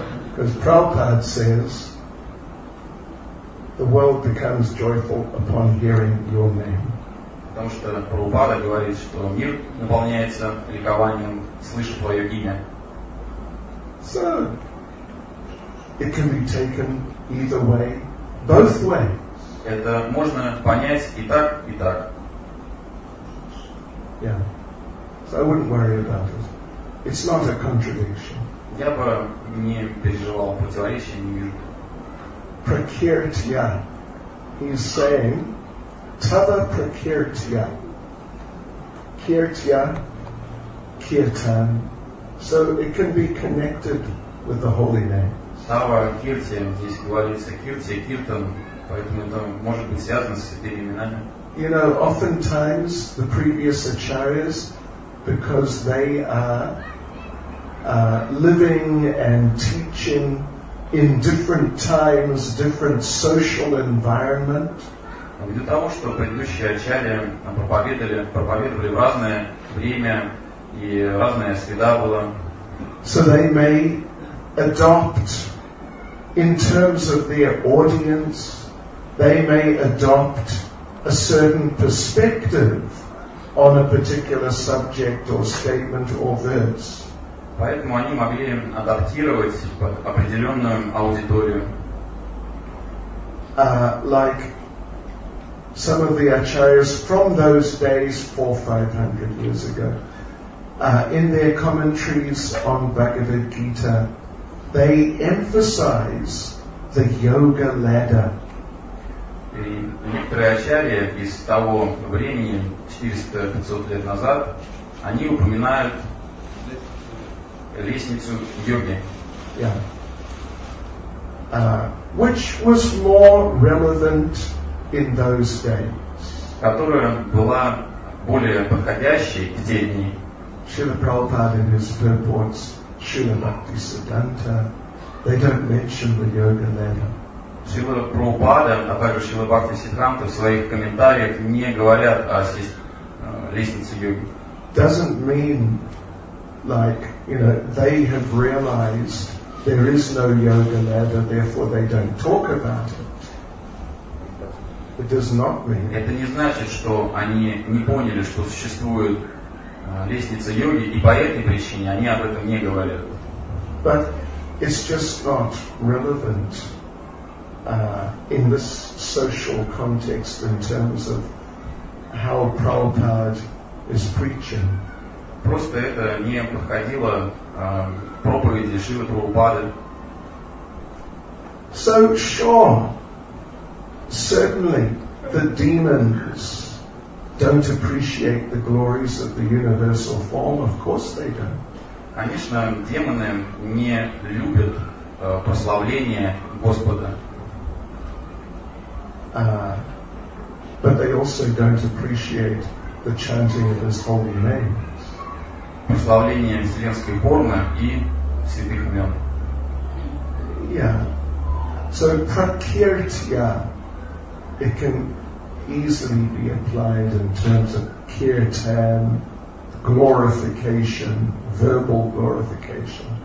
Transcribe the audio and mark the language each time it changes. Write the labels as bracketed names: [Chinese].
[English] Because Prabhupada says, the world becomes joyful upon hearing your name. [Russian] Потому что Прабхупада говорит, что мир наполняется ликованием, слыша твое имя. [English] So, it can be taken either way, both ways. [Russian] Это можно понять и так, и так. [English] Yeah. So I wouldn't worry about it. It's not a contradiction. [Russian] Я бы не переживал противоречия между. [English] Prakirtya. He's saying tava prakirtya. Kirtya, kirtan. So it can be connected with the holy name. [Russian] Tava kirtya, здесь говорится kirtya, kirtan, поэтому это может быть связано с этими именами. [English] You know, oftentimes the previous acharyas, because they are living and teaching in different times, different social environment. [Russian] Ввиду того, что предыдущие ачарьи проповедовали в разное время и разная среда была. [English] So they may adopt, in terms of their audience, they may adopt a certain perspective on a particular subject or statement or verse. [Russian] Поэтому они могли адаптировать под определенную аудиторию. [English] Like some of the acharyas from those days, 400-500 years ago, in their commentaries on Bhagavad Gita, they emphasize the yoga ladder. [Russian] И некоторые ачарьи из того времени, 400-500 лет назад, они упоминают лестницу йоги. [English] Yeah. Which was more relevant in those days? [Russian] Которая была более подходящей в те дни. [English] Шрила Прабхупада in his purports, Шрила Бхакти Сиддханта, they don't mention the yoga ladder. [Russian] Шрила Прабхупада, а также Шрила Бхакти Сиддханта в своих комментариях не говорят о лестнице йоги. [English] Doesn't mean like, you know, they have realized there is no yoga ladder, therefore they don't talk about it. It does not mean. [Russian] Это не значит, что они не поняли, что существует лестница йоги, и по этой причине они об этом не говорят. [English] But it's just not relevant. In this social context, in terms of how Prabhupada is preaching. [Russian] Просто это не подходило проповеди Шрилы Прабхупады. [English] So sure, certainly the demons don't appreciate the glories of the universal form. Of course they don't. [Russian] Конечно, демоны не любят прославление Господа. [English] But they also don't appreciate the chanting of his holy name. [Russian] Прославление вселенской формы и святых имен. [English] Yeah. So prakirtya, it can easily be applied in terms of kirtan, glorification, verbal glorification.